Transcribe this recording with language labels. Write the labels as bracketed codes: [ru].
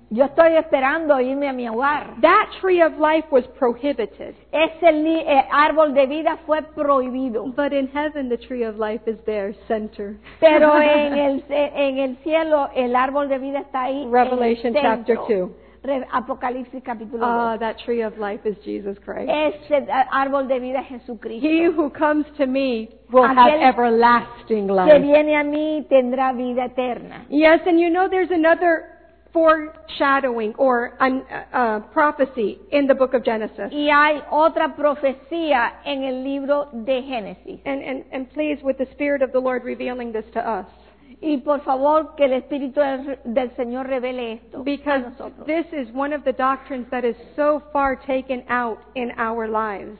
[es] Yo estoy esperando irme a mi hogar. [en] That tree of life was prohibited. [es] Ese árbol de vida fue prohibido. [en] But in heaven, the tree of life is there, center. [es] Pero en el cielo, el árbol de vida está ahí. [en] Revelation chapter 2. [es] Apocalipsis capítulo 2. [en] Ah, that tree of life is Jesus Christ. [es] Ese árbol de vida es Jesucristo. [en] He who comes to me will [es] aquel [en] have everlasting life. [es] Que viene a mí tendrá vida eterna. [en] Yes, and you know there's another foreshadowing or a prophecy in the book of Genesis. [es] Y hay otra profecía en el libro de Génesis. [en] And please, with the Spirit of the Lord revealing this to us. [es] Y por favor que el Espíritu del Señor revele esto [en] because [es] a nosotros. [en] This is one of the doctrines that is so far taken out in our lives.